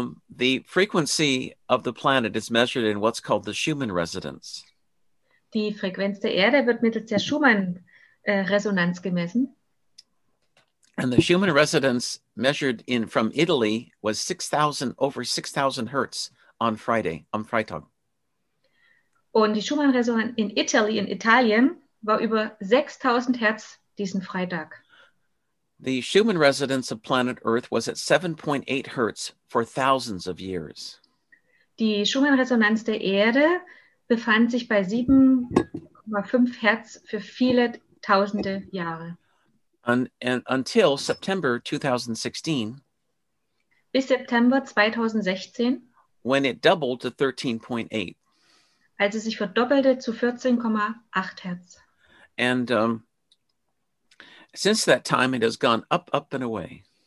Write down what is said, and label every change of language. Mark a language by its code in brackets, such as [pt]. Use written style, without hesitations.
[en] The frequency of the planet is measured in what's called the Schumann resonance. [de] Die Frequenz der Erde wird mittels der Schumann Resonanz gemessen. [en] And the Schumann resonance measured in from Italy was 6,000 over 6,000 hertz on Friday, on Freitag. [de] Und die Schumann resonanz in Italy, in Italien, war über 6,000 hertz diesen Freitag. [en] The Schumann resonance of planet Earth was at 7.8 hertz for thousands of years. [de] Die Schumann resonanz der Erde befand sich bei 7,5 hertz für viele tausende Jahre. [en] And until September 2016. [de] Bis September 2016. [en] When it doubled to 13.8. [de] Als es sich verdoppelte zu 14,8 Hertz. [en] And since that time it has gone up, up and away.